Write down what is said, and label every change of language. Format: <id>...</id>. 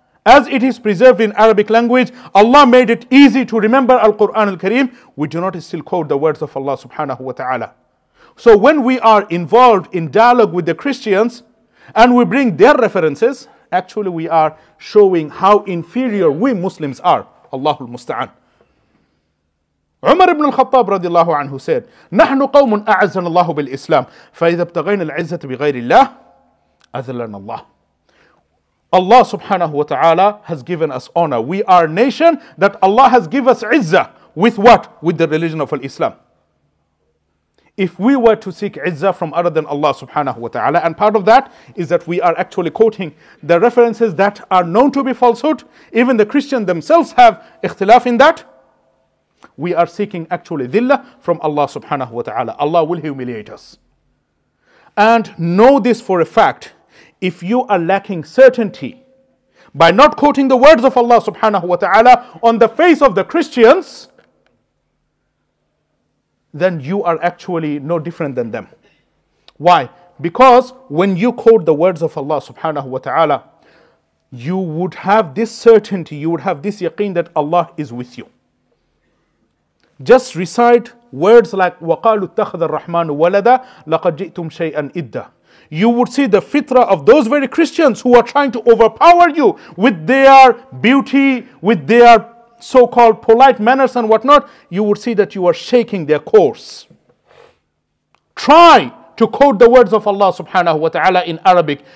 <en>As it is preserved in Arabic language, Allah made it easy to remember Al-Quran Al-Kareem. We do not still quote the words of Allah subhanahu wa ta'ala. So when we are involved in dialogue with the Christians and we bring their references, actually, we are showing how inferior we Muslims are. Allahul Musta'an. Umar ibn al-Khattab radiallahu anhu said,</en> <ar>نَحْنُ قَوْمٌ أَعَزَّنَ اللَّهُ بِالْإِسْلَامِ فَإِذَا ابْتَغَيْنَ الْعِزَّةِ بِغَيْرِ اللَّهِ أَذَلَّنَ اللَّهِ.</ar> <en>Allah subhanahu wa ta'ala has given us honor. We are a nation that Allah has given us izzah. With what? With the religion of Islam. If we were to seek izzah from other than Allah subhanahu wa ta'ala, and part of that is that we are actually quoting the references that are known to be falsehood, even the Christians themselves have ikhtilaf in that, we are seeking actually dhillah from Allah subhanahu wa ta'ala. Allah will humiliate us. And know this for a fact, if you are lacking certainty by not quoting the words of Allah subhanahu wa ta'ala on the face of the Christians, then you are actually no different than them. Why? Because when you quote the words of Allah subhanahu wa ta'ala, you would have this certainty, you would have this yaqeen that Allah is with you. Just recite words like</en> <ar>وَقَالُوا اتَّخَذَ الرَّحْمَنُ وَلَدًا لَقَدْ جِئْتُمْ شَيْئًا إِدَّا.</ar> <en>You would see the fitrah of those very Christians who are trying to overpower you with their beauty, with their so-called polite manners and whatnot, you would see that you are shaking their course. Try to quote the words of Allah subhanahu wa ta'ala in Arabic.</en>